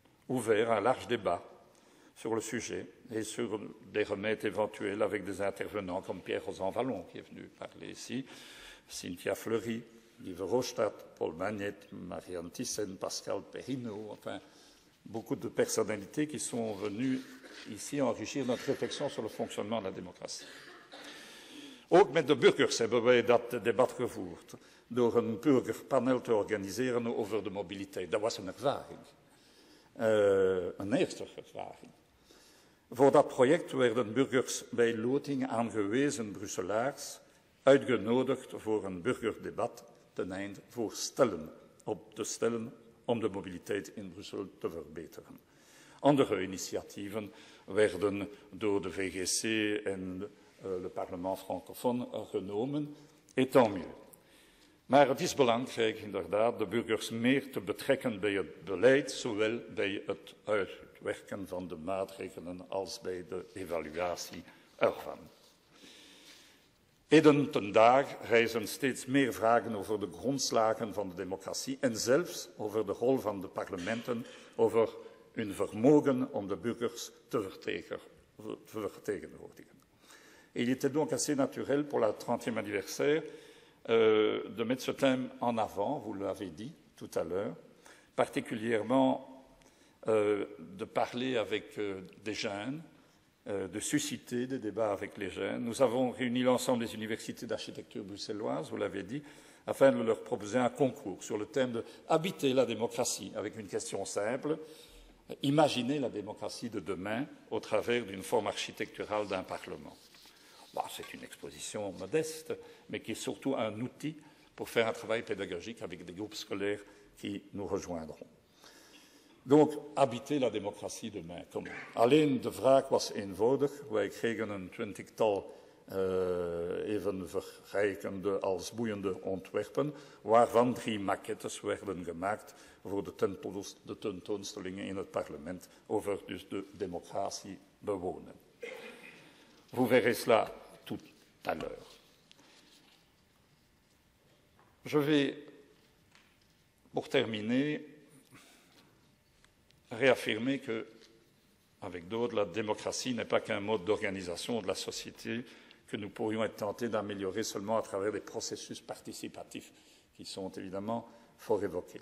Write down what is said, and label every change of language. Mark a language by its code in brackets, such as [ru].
[fr] ouvert un large débat sur le sujet et sur des remèdes éventuels avec des intervenants comme Pierre-Rosan Vallon, qui est venu parler ici, Cynthia Fleury, Guy Verhofstadt, Paul Magnette, Marianne Thyssen, Pascal Perrineau, enfin beaucoup de personnalités qui sont venues ici enrichir notre réflexion sur le fonctionnement de la démocratie. [nl] Ook met de burgers hebben wij dat debat gevoerd. door een burgerpanel te organiseren over de mobiliteit. Dat was een ervaring. Een eerste ervaring. Voor dat project werden burgers bij loting aangewezen Brusselaars uitgenodigd voor een burgerdebat ten einde voorstellen op te stellen om de mobiliteit in Brussel te verbeteren. Andere initiatieven werden door de VGC en le Parlement francophone genomen, [fr] et tant mieux. [nl] Maar het is belangrijk inderdaad de burgers meer te betrekken bij het beleid, zowel bij het uitwerken van de maatregelen als bij de evaluatie ervan. Heden ten dag rijzen steeds meer vragen over de grondslagen van de democratie en zelfs over de rol van de parlementen, over hun vermogen om de burgers te vertegenwoordigen. [fr] Il était donc assez naturel pour la 30e anniversaire de mettre ce thème en avant, vous l'avez dit tout à l'heure, particulièrement de parler avec des jeunes, de susciter des débats avec les jeunes. Nous avons réuni l'ensemble des universités d'architecture bruxelloise, vous l'avez dit, afin de leur proposer un concours sur le thème de « Habiter la démocratie » avec une question simple, « Imaginer la démocratie de demain au travers d'une forme architecturale d'un Parlement ». Bon, c'est une exposition modeste, mais qui est surtout un outil pour faire un travail pédagogique avec des groupes scolaires qui nous rejoindront. Donc, habiter la démocratie demain. [nl] Comme alleen de vraag was eenvoudig. Wij kregen een twintigtal even verrijkende als boeiende ontwerpen, waarvan drie maquettes werden gemaakt voor de tentoonstellingen in het parlement over dus de democratie bewonen. [fr] Vous verrez cela tout à l'heure. Je vais, pour terminer, réaffirmer que, avec d'autres, la démocratie n'est pas qu'un mode d'organisation de la société que nous pourrions être tentés d'améliorer seulement à travers des processus participatifs qui sont évidemment fort évoqués.